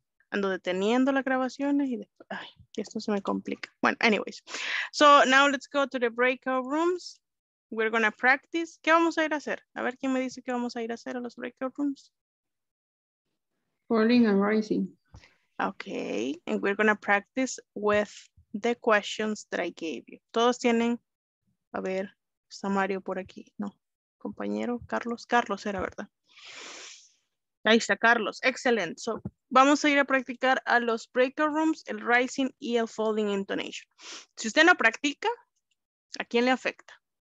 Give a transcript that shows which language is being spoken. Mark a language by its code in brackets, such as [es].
[es] Ando deteniendo las grabaciones y después, ay, esto se me complica. Bueno, anyways. [en] So now let's go to the breakout rooms. We're gonna practice. [es] ¿Qué vamos a ir a hacer? A ver, ¿quién me dice qué vamos a ir a hacer a los breakout rooms? [en] Falling and rising. Okay, and we're gonna practice with the questions that I gave you. [es] Todos tienen, a ver, está Mario por aquí, no, compañero, Carlos, Carlos era, ¿verdad? Ahí está Carlos, excelente. So, vamos a ir a practicar a los breakout rooms, el rising y el falling intonation. Si usted no practica, ¿a quién le afecta?